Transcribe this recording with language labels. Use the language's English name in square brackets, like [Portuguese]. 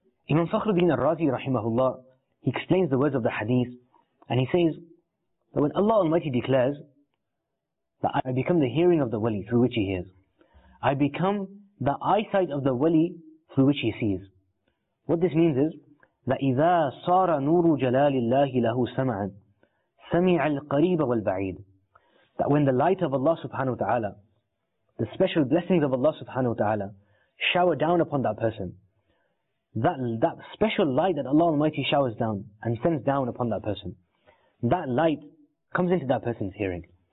[English] Imam Fakhruddin al-Razi rahimahullah, he explains the words of the hadith and he says that when Allah Almighty declares that I become the hearing of the wali through which he hears, I become the eyesight of the wali through which he sees. What this means is that [Arabic] إِذَا صَارَ نُورُ جَلَالِ اللَّهِ لَهُ سَمَعًا سَمِعَ الْقَرِيبَ وَالْبَعِيدِ. [English] That when the light of Allah subhanahu wa ta'ala, the special blessings of Allah subhanahu wa ta'ala, shower down upon that person, that special light that Allah Almighty showers down and sends down upon that person, that light comes into that person's hearing.